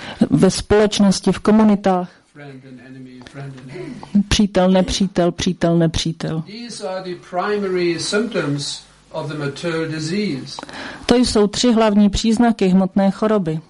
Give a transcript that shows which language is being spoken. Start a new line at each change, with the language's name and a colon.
Czech: Ve společnosti, v komunitách.
English: Friend and enemy, friend and enemy.
Czech: Přítel, nepřítel, přítel, nepřítel.
English: These are the primary symptoms of the material disease.
Czech: To jsou tři hlavní příznaky hmotné choroby.